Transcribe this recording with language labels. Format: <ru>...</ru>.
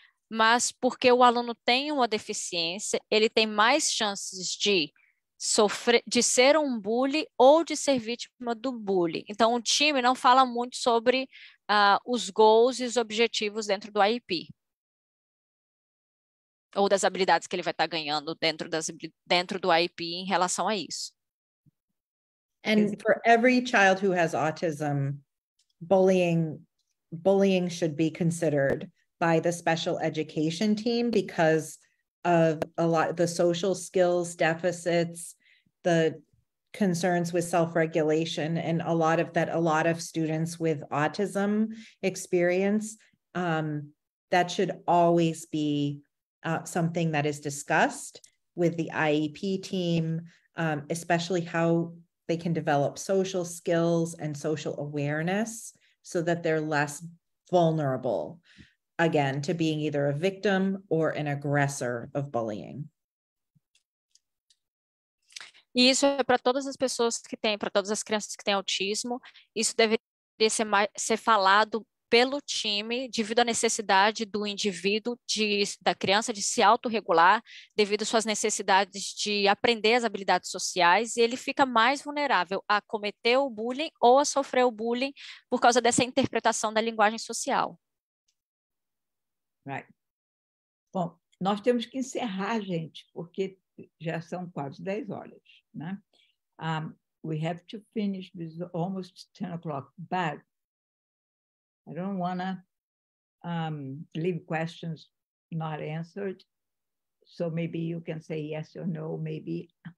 <pt>Mas porque o aluno tem uma deficiência, ele tem mais chances de sofrer, de ser um bully ou de ser vítima do bully. Então, o time não fala muito sobre os goals e os objetivos dentro do IEP. Ou das habilidades que ele vai estar ganhando dentro do IEP em relação a isso.</pt> <en>And for every child who has autism, bullying should be considered by the special education team because of a lot of the social skills deficits, the concerns with self-regulation, and a lot of students with autism experience, that should always be something that is discussed with the IEP team, especially how they can develop social skills and social awareness so that they're less vulnerable, again, to being either a victim or an aggressor of bullying.</en> <pt>E isso é para todas as pessoas que têm, para todas as crianças que têm autismo, isso deveria ser, ser falado pelo time, devido à necessidade do indivíduo, da criança, de se autorregular, devido às suas necessidades de aprender as habilidades sociais, e ele fica mais vulnerável a cometer o bullying ou a sofrer o bullying por causa dessa interpretação da linguagem social.</pt> <en>Right.</en> <pt>Bom, nós temos que encerrar, gente, porque já são quase 10 horas, né?</pt> <en>We have to finish with almost 10 o'clock, but I don't want to leave questions not answered. So maybe you can say yes or no, maybe.</en>